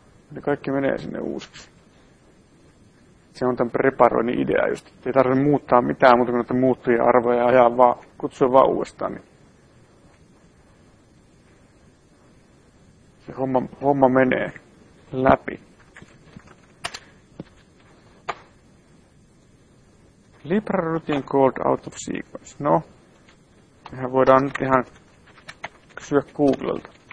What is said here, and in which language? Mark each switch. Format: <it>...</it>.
<fi>Ne kaikki menee sinne uusiksi. Se on tämän preparoinnin idea just. Ei tarvitse muuttaa mitään muuta kuin noita muuttujia arvoja ja kutsua vaan uudestaan. Niin se homma menee läpi.</fi> <en>Libra routine called out of sequence.</en> <fi>No, mehän voidaan nyt ihan kysyä Googlelta.</fi>